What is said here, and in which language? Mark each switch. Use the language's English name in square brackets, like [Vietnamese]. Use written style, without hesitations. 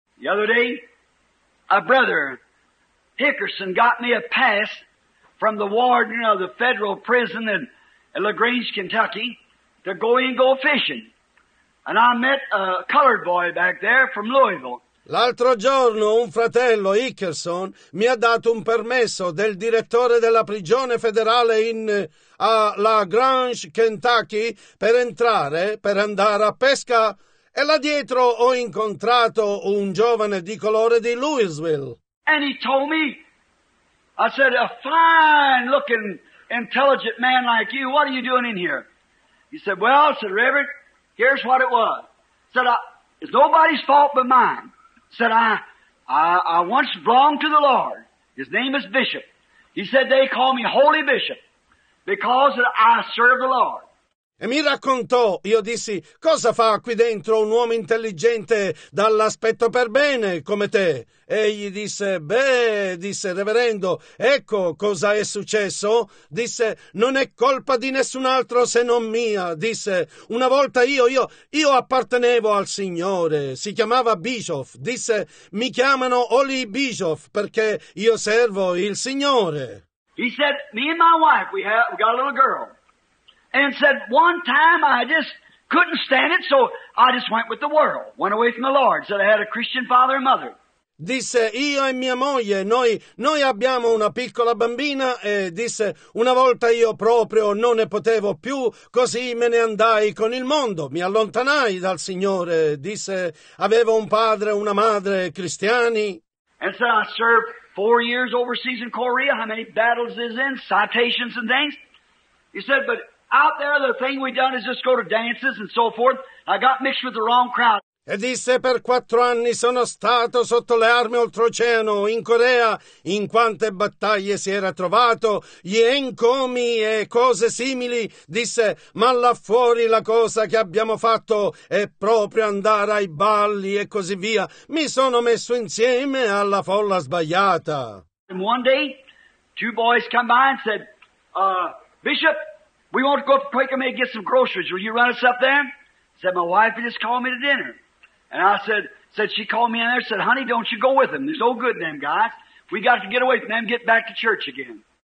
[English] The other day, a brother, Hickerson, got me a pass from the warden of the federal prison in LaGrange, Kentucky, to go in and go fishing. And I met a colored boy back there from Louisville. [Italian] L'altro giorno un fratello, Hickerson, mi ha dato un permesso del direttore della prigione federale a La Grange, Kentucky, per entrare, per andare a pesca, e là dietro ho incontrato un giovane di colore di Louisville. [English] And he told me, I said, a fine looking intelligent man like you, what are you doing in here? He said, well, said Reverend, here's what it was. Said, it's nobody's fault but mine. Said, I once belonged to the Lord. His name is Bishop. He said, they call me Holy Bishop because I serve the Lord. [Italian] E mi raccontò, io dissi, cosa fa qui dentro un uomo intelligente dall'aspetto per bene come te? Egli disse, beh, disse reverendo, ecco cosa è successo. Disse, non è colpa di nessun altro se non mia. Disse, una volta io appartenevo al Signore. Si chiamava Bischoff. Disse, mi chiamano Holy Bischoff perché io servo il Signore. [English] He said, me and my wife, we got a little girl. And said, one time I just couldn't stand it, so I just went with the world. Went away from the Lord. Said I had a Christian father and mother. [Italian] Disse, io e mia moglie, noi abbiamo una piccola bambina, e disse, una volta io proprio non ne potevo più, così me ne andai con il mondo, mi allontanai dal Signore. Disse, avevo un padre e una madre cristiani. [English] And said, I served 4 years overseas in Korea. How many battles is in? Citations and things. He said, but out there, the thing we've done is just go to dances and so forth. I got mixed with the wrong crowd. [Italian] E disse, per 4 anni sono stato sotto le armi oltreoceano in Corea. In quante battaglie si era trovato, gli encomi e cose simili. Disse, ma là fuori la cosa che abbiamo fatto è proprio andare ai balli e così via. Mi sono messo insieme alla folla sbagliata. [English] And one day, two boys come by and said, Bishop, we want to go up to Quaker Maid and get some groceries. Will you run us up there? Said, my wife just called me to dinner. And I said she called me in there, said, honey, don't you go with them. There's no good in them guys. We got to get away from them and get back to church again.